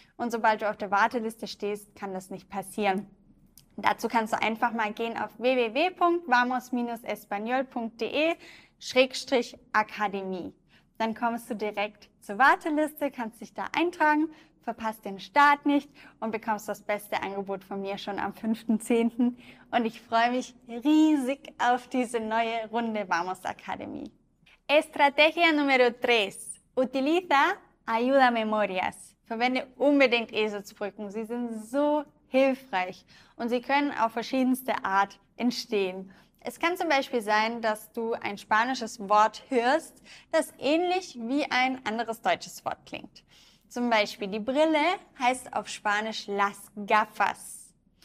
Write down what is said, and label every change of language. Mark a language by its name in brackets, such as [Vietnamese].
[German] Und sobald du auf der Warteliste stehst, kann das nicht passieren. Dazu kannst du einfach mal gehen auf www.vamos-espanol.de/Akademie. Dann kommst du direkt zur Warteliste, kannst dich da eintragen, verpasst den Start nicht und bekommst das beste Angebot von mir schon am 5.10. Und ich freue mich riesig auf diese neue Runde Vamos Akademie. [Spanish] Estrategia número tres. Utiliza Ayuda Memorias. [German] Verwende unbedingt Eselsbrücken. Sie sind so hilfreich und sie können auf verschiedenste Art entstehen. Es kann zum Beispiel sein, dass du ein spanisches Wort hörst, das ähnlich wie ein anderes deutsches Wort klingt. Zum Beispiel die Brille heißt auf Spanisch [Spanish] las gafas.